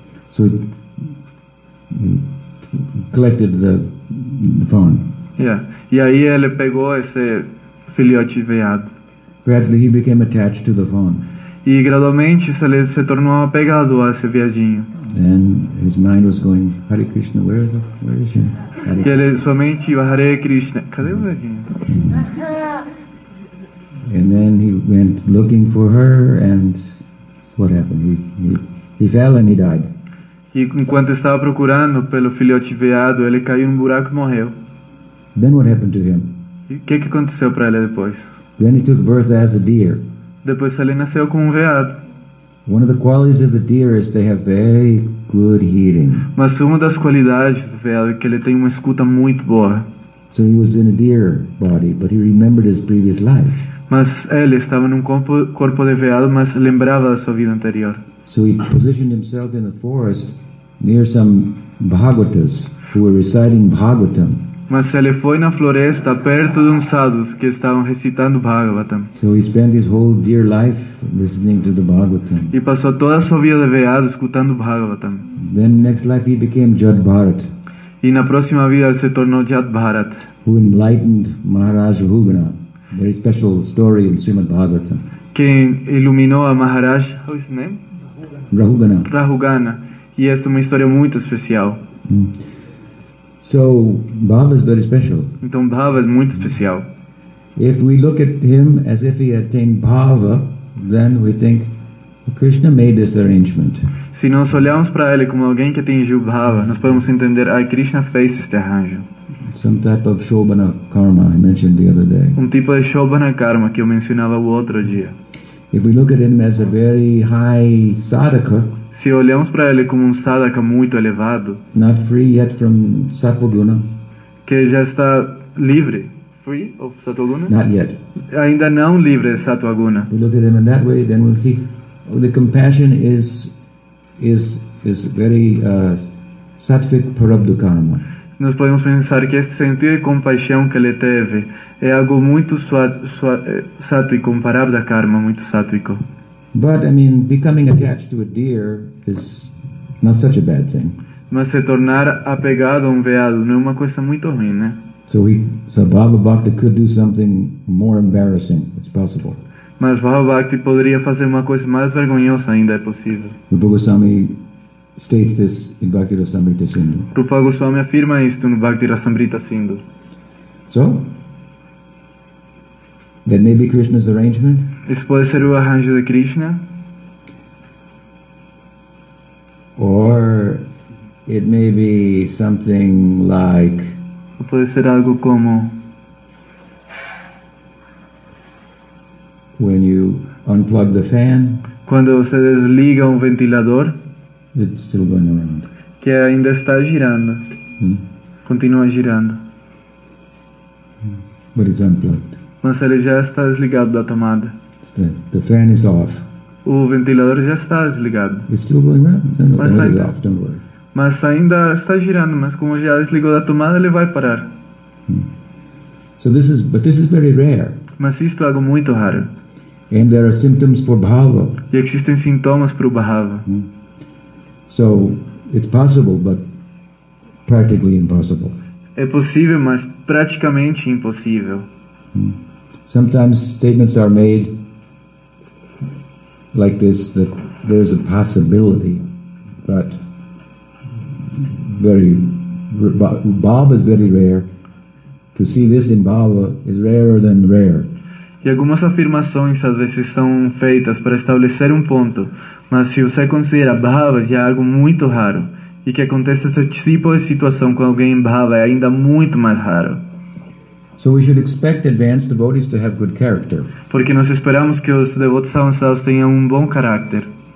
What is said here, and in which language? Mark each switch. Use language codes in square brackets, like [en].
[en] So he collected the fawn. Yeah. [pt] E aí ele pegou esse filhote veado. [en] Gradually he became attached to the fawn. [pt] E gradualmente ele se tornou apegado a esse veadinho. [en] Then his mind was going, Hare Krishna, where is he? [pt] Que ele somente ia, Hare Krishna. Cadê o veadinho? [en] And then he went looking for her and what happened? He fell and he died. [pt] E enquanto estava procurando pelo filhote veado, ele caiu num buraco e morreu. [en] Then what happened to him? [pt] Que aconteceu para ele depois? [en] Then he took birth as a deer. [pt] Depois ele nasceu como um veado. [en] One of the qualities of the deer is they have very good hearing. [pt] Mas uma das qualidades do veado é que ele tem uma escuta muito boa. [en] So he was in a deer body, but he remembered his previous life. [pt] Mas ele estava num corpo de veado, mas lembrava da sua vida anterior. [en] So he positioned himself in a forest near some Bhagavatas who were reciting Bhagavatam. [pt] Mas ele foi na floresta perto de uns sadhus que estavam recitando Bhagavatam. [en] So he spent his whole deer life listening to the Bhagavatam. [pt] E passou toda a sua vida de veado escutando Bhagavatam. [en] Then next life he became Jad Bharat. [pt] E na próxima vida ele se tornou Jad Bharat. [en] Who enlightened Maharaj Rugna. Very special story in Srimad Bhagavatam. [pt] Quem iluminou a Maharaj, [en] how is his name? Rahugana. [pt] Rahugana. E esta é uma história muito especial. [en] So, Bhava is very special. [pt] Então, Bhava é muito especial. [en] If we look at him as if he attained Bhava, then we think Krishna made this arrangement. [pt] Se nós olharmos para ele como alguém que atingiu Bhava, nós podemos entender, ah, Krishna fez este arranjo. [en] Some type of shobhana karma I mentioned the other day. [pt] Um tipo de shobhana karma que eu mencionava o outro dia. [en] If we look at him as a very high sadhaka, [pt] se olhamos para ele como um sadhaka muito elevado, [en] not free yet from satvaguna, [pt] que já está livre, [en] free of satvaguna, not yet, [pt] ainda não livre de satvaguna. [en] We look at him in that way, then we'll see the compassion is very sattvic parabdha karma. [pt] Nós podemos pensar que esse sentido de compaixão que ele teve é algo muito sátuico, comparável a karma, muito sátuico. [en] But I mean, becoming attached to a deer is not such a bad thing. [pt] Mas se tornar apegado a um veado não é uma coisa muito ruim, né? [en] So Bhava Bhakti could do something more embarrassing, it's possible. [pt] Mas Bhava Bhakti poderia fazer uma coisa mais vergonhosa ainda, é possível. [en] Rupa Goswami states this in Bhakti Rasamrita Sindhu. [pt] Rupa Goswami afirma isto no Bhakti Rasamrita Sindhu. [en] So? That may be Krishna's arrangement? [pt] Isso pode ser o arranjo de Krishna? [en] Or it may be something like... [pt] Ou pode ser algo como... [en] When you unplug the fan... [pt] Quando você desliga um ventilador... [en] It's still going around. [pt] Que ainda está girando. Continua girando. [en] But it's unplugged. [pt] Mas ele já está desligado da tomada. [en] The fan is off. [pt] O ventilador já está desligado. [en] It's still going around. No, [pt] mas, ainda, [en] off, don't worry. [pt] Mas ainda está girando, mas como já desligou da tomada, ele vai parar. [en] So this is, but this is very rare. [pt] Mas isto é algo muito raro. [en] And there are symptoms for bhava. [pt] E existem sintomas para o bhava. [en] So it's possible, but practically impossible. [pt] É possível, mas praticamente impossível. [en] Sometimes statements are made like this, that there's a possibility, but very, Bob is very rare. To see this in Bhava is rarer than rare. [pt] E algumas afirmações às vezes são feitas para estabelecer ponto, mas se você considera Bhava, já é algo muito raro. E que aconteça esse tipo de situação com alguém em Bhava é ainda muito mais raro. [en] So we should expect advanced devotees to have good character. [pt] Porque nós esperamos que os devotos avançados tenham bom caráter.